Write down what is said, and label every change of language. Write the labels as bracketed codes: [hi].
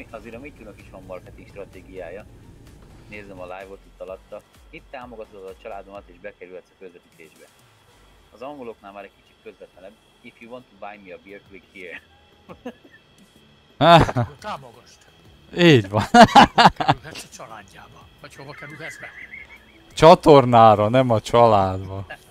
[hu] Azért a Mityúnak is van marketing stratégiája. Nézzem a live-ot itt alatta. Itt támogatod a családomat és bekerülhetsz a közvetítésbe. Az angoloknál már egy kicsit közvetlenebb. [en] If you want to buy me a beer, click here. [hu] Támogasd! Így van. Kerülhetsz a családjába. Vagy hova kerülhetsz be? Csatornára, nem a családba.